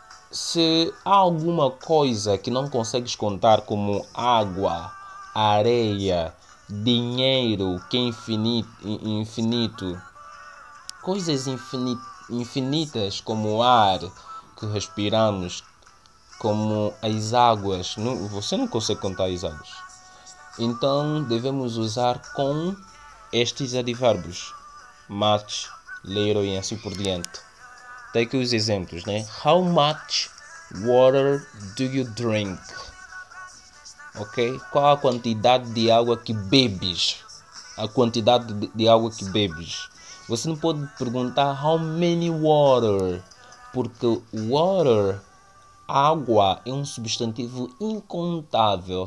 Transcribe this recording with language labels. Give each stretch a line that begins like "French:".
Portuguese: Se há alguma coisa que não consegues contar, como água, areia, dinheiro, que é infinito, coisas infinitas como o ar que respiramos, como as águas, você não consegue contar as águas. Então devemos usar com estes advérbios: much, little e assim por diante. Tem aqui os exemplos, né?
English: How much water do you drink? Ok?
Portuguese: Qual a quantidade de água que bebes? A quantidade de água que bebes? Você não pode perguntar
English: how many water,
Portuguese: porque water, água, é um substantivo incontável.